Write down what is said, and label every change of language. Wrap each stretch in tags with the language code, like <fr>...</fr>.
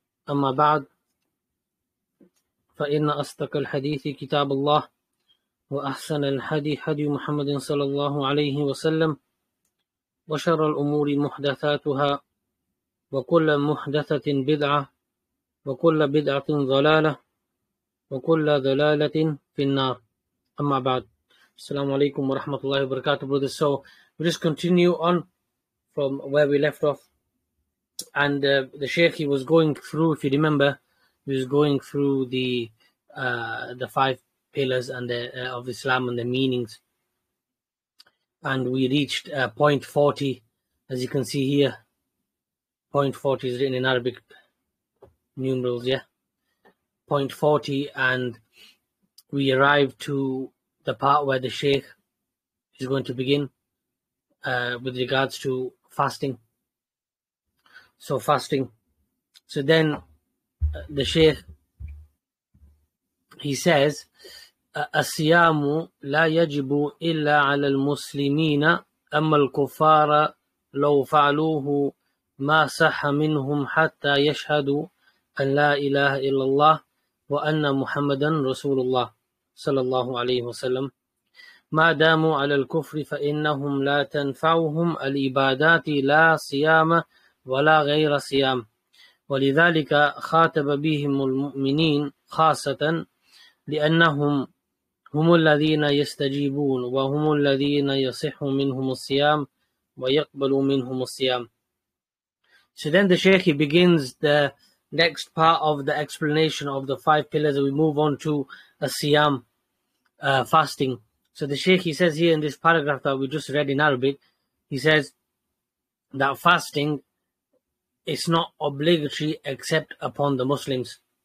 <ar>أما بعد، فإن أصدق الحديث كتاب الله وأحسن الهدي هدي محمد صلى الله عليه وسلم، وشر الأمور محدثاتها وكل محدثة بدعة وكل بدعة ضلالة وكل ضلالة في النار. أما بعد، السلام عليكم ورحمة الله وبركاته.</ar> <en>Brothers, so we just continue on from where we left off, and the Shaykh, he was going through, if you remember, he was going through the five pillars and the of Islam and the meanings, and we reached point 40, as you can see here. Point 40 is written in Arabic numerals, yeah. Point 40, and we arrived to the part where the Shaykh is going to begin with regards to fasting. So fasting. So then the Shaykh, he says,</en> <ar>الصيام لا يجب إلا على المسلمين، أما الكفار لو فعلوه ما صح منهم حتى يشهدوا أن لا إله إلا الله وأن محمدا رسول الله صلى الله عليه وسلم. ما داموا على الكفر فإنهم لا تنفعهم العبادات، لا صيام ولا غير صيام. ولذلك خاطب بهم المؤمنين خاصة، لأنهم هم الذين يستجيبون وهم الذين يصح منهم الصيام ويقبل منهم الصيام.</ar> <en>So then the Shaykh, he begins the next part of the explanation of the five pillars, and we move on to as-siyam, fasting. So the Shaykh, he says here in this paragraph that we just read in Arabic, he says that fasting is not obligatory except upon the Muslims.</en>